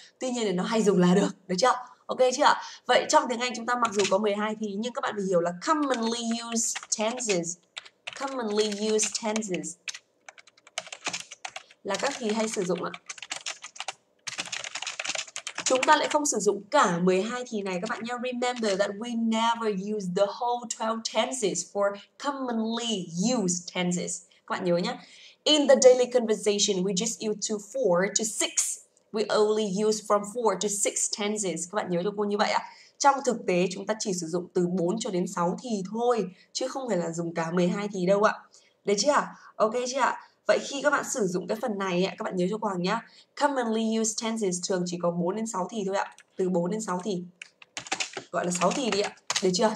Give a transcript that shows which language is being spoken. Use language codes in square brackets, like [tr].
[vi] Tuy nhiên là nó hay dùng là được, được chưa? Ok chưa? Vậy trong tiếng Anh chúng ta mặc dù có 12 thì, nhưng các bạn phải hiểu là [en] commonly used tenses [vi] là các thì hay sử dụng ạ. Chúng ta lại không sử dụng cả 12 thì này các bạn nhớ. [en] Remember that we never use the whole 12 tenses for commonly used tenses. [vi] Các bạn nhớ nhé. [en] In the daily conversation, we just use to 4 to 6. We only use from 4 to 6 tenses. [vi] Các bạn nhớ cho cô như vậy ạ. Trong thực tế, chúng ta chỉ sử dụng từ 4 cho đến 6 thì thôi, chứ không phải là dùng cả 12 thì đâu ạ. Được chưa ạ? Ok chưa ạ? Vậy khi các bạn sử dụng cái phần này ạ, các bạn nhớ cho Hoàng nhá. [en] Commonly used tenses [vi] thường chỉ có 4 đến 6 thì thôi ạ. Từ 4 đến 6 thì. Gọi là 6 thì đi ạ. Được chưa?